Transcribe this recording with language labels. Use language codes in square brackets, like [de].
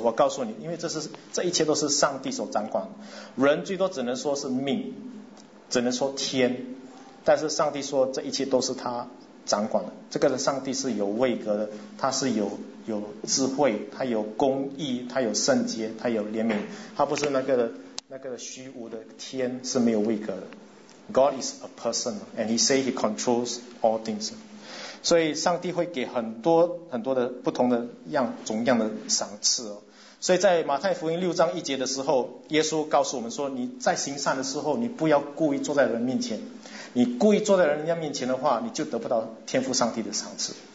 [zh] 我告诉你，因为这一切都是上帝所掌管的，人最多只能说是命，只能说天，但是上帝说这一切都是他掌管的。这个上帝是有位格的，他是有智慧，他有公义，他有圣洁，他有怜悯，他不是那个虚无的天，是没有位格的。 [en] God is a person and he say he controls all things。 [zh] 所以上帝会给很多很多的不同的种样的赏赐。所以在马太福音六章一节的时候，耶稣告诉我们说，你在行善的时候，你不要故意坐在人面前，你故意坐在人家面前的话，你就得不到天父上帝的赏赐。